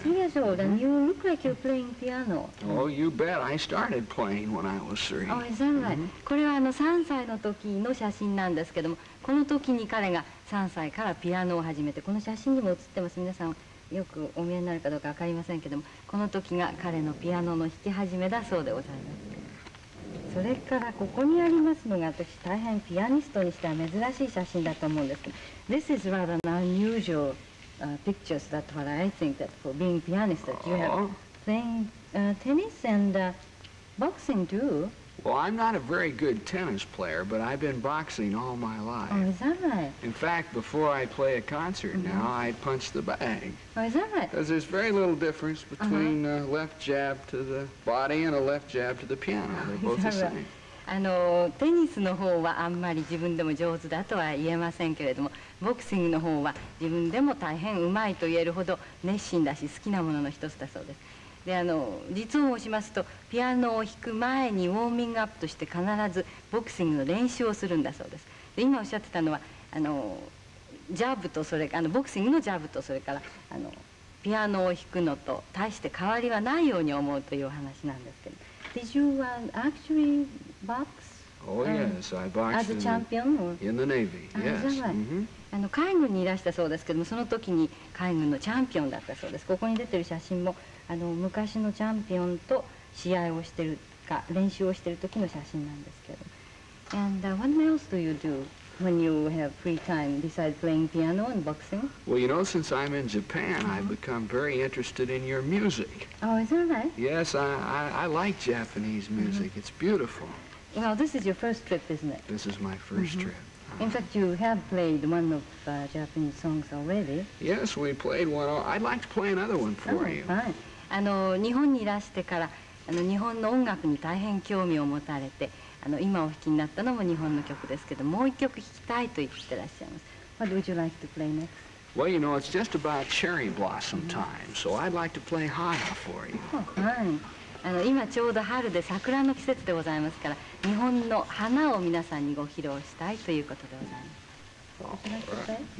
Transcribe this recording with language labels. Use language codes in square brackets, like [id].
[en] 3 years old, and you look like you're playing piano. Oh, you bet. I started playing when I was three. Oh, is that right? [ja] これは3歳の時の写真なんですけども、この時に彼が3歳からピアノを始めて、この写真にも写ってます。皆さんよくお見えになるかどうか分かりませんけども、この時が彼のピアノの弾き始めだそうでございます。それからここにありますのが、私大変ピアニストにしては珍しい写真だと思うんですけど、 [en] This is rather an unusual pictures. That's what I think. That for being pianist, that you have playing tennis and boxing too. Well, I'm not a very good tennis player, but I've been boxing all my life. Oh, is that right? In fact, before I play a concert now, I punch the bag. Oh, is that right? Because there's very little difference between a left jab to the body and a left jab to the piano. They're both the same. [ja] あのテニスの方はあんまり自分でも上手だとは言えませんけれども、ボクシングの方は自分でも大変うまいと言えるほど熱心だし好きなものの一つだそうです。で、あの実を申しますと、ピアノを弾く前にウォーミングアップとして必ずボクシングの練習をするんだそうです。で、今おっしゃってたのは、あのジャブとそれあのボクシングのジャブとそれからあのピアノを弾くのと大して変わりはないように思うというお話なんですけど。 [en] Did you actually box? Oh, yes, I boxed as a champion in the Navy. Yes. Is that right? [ja] Mm-hmm. あの海軍にいらしたそうですけども、その時に海軍のチャンピオンだったそうです。ここに出てる写真も、あの昔のチャンピオンと試合をしてるか練習をしてる時の写真なんですけど。 [en] And what else do you do when you have free time besides playing piano and boxing? Well, you know, since I'm in Japan, I've become very interested in your music. Oh, is that right? Yes, I like Japanese music. Mm-hmm. It's beautiful. Well, this is your first trip, isn't it? This is my first trip. In fact, you have played one of Japanese songs already. Yes, we played one. I'd like to play another one for you. Fine. [ja] あの、日本にいらしてから、あの、日本の音楽に大変興味を持たれて、あの今お弾きになったのも日本の曲ですけど、もう一曲弾きたいと言ってらっしゃいます。 [en] What would you like to play next? Well, you know, it's just about cherry blossom time, so I'd like to play Hana for you. Oh, fine. [ja] あの今ちょうど春で桜の季節でございますから、日本の花を皆さんにご披露したいということでございます。